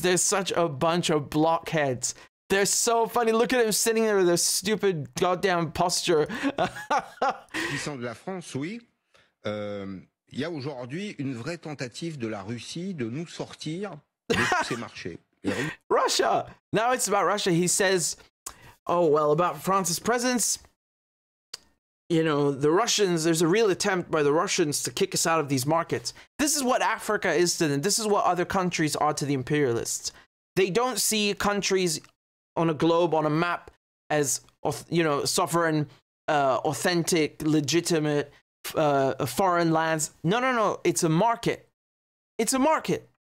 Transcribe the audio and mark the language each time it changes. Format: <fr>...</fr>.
<en>They're such a bunch of blockheads. They're so funny. Look at him sitting there with a stupid goddamn posture.</en> <fr>Disant de la France, oui, il y a aujourd'hui une vraie tentative de la Russie de nous sortir de tous ces marchés.</fr> <en>Russia! Now it's about Russia. He says, oh, well, about France's presence, you know, the Russians, there's a real attempt by the Russians to kick us out of these markets. This is what Africa is to them. This is what other countries are to the imperialists. They don't see countries on a globe, on a map, as, you know, sovereign, authentic, legitimate, foreign lands. No, no, no. It's a market. It's a market.</en>